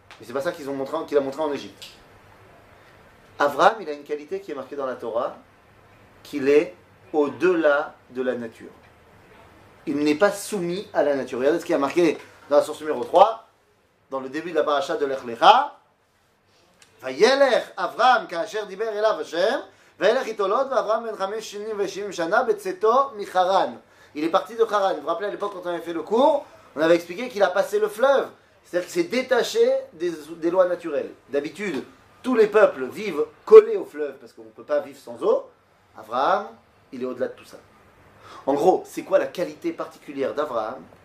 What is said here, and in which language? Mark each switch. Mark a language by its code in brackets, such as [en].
[fr] Mais c'est pas ça qu'il a montré en Égypte. Abraham, il a une qualité qui est marquée dans la Torah, qu'il est au-delà de la nature. Il n'est pas soumis à la nature. Regardez ce qui a marqué dans la source numéro 3, dans le début de la paracha de l'Ech Lecha. [he] וילך אברהם כאשר דיבר אליו השם וילך איתו לוט ואברהם בן 50 שנה בצאתו מחרן. [fr] Il est parti de Haran. Vous rappelez à l'époque quand on avait fait le cours, on avait expliqué qu'il a passé le fleuve. C'est-à-dire qu'il s'est détaché des lois naturelles. D'habitude, tous les peuples vivent collés au fleuve parce qu'on ne peut pas vivre sans eau. Abraham, il est au-delà de tout ça. En gros, c'est quoi la qualité particulière d'Abraham?